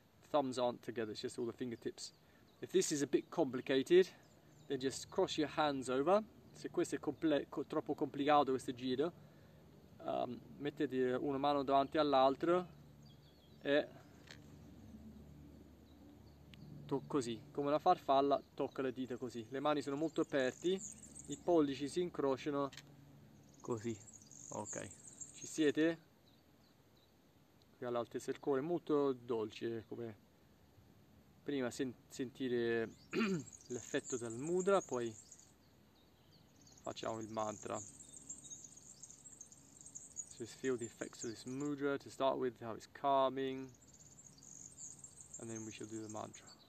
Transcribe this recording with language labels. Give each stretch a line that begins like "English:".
English: Thumbs aren't together, it's just all the fingertips. If this is a bit complicated, then just cross your hands over.
Italian: Se questo è troppo complicato, questo giro, mettete una mano davanti all'altra e così, come una farfalla, tocca le dita così. Le mani sono molto aperte, i pollici si incrociano così. Ok, ci siete? Qui all'altezza del cuore, molto dolce, come prima sentire l'effetto del mudra, poi facciamo il mantra.
English: Just feel the effects of this mudra to start with, how it's calming, and then we shall do the mantra.